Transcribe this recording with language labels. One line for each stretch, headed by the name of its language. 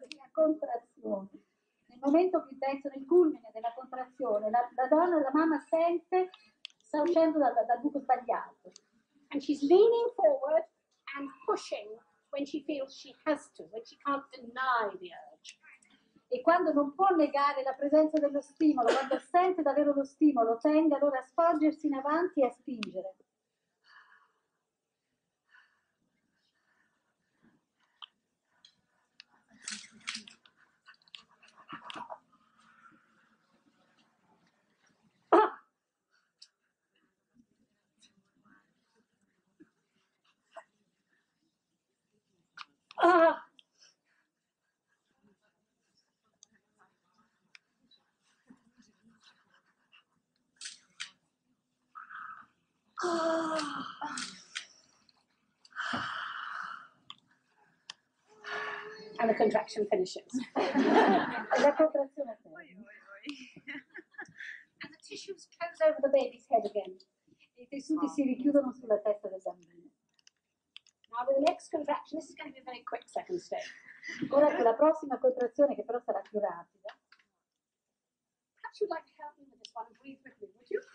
Italian: contrazione, nel momento più intenso del culmine della contrazione, la donna, la mamma sente, sta uscendo dal buco sbagliato.
English: And she's leaning forward and pushing when she feels she has to, when she can't deny the urge.
Italian: E quando non può negare la presenza dello stimolo, quando sente davvero lo stimolo, tende allora a spingersi in avanti e a spingere.
English: And the contraction finishes. And the tissues close over the baby's head again.
Italian: I tessuti si richiudono sulla testa del bambino.
English: Now the next contraction, this is going to be a very quick second step.
Italian: Ora con la prossima contrazione, che però sarà più rapida.
English: Perhaps you'd like to help me with this one, breathe with me, would you?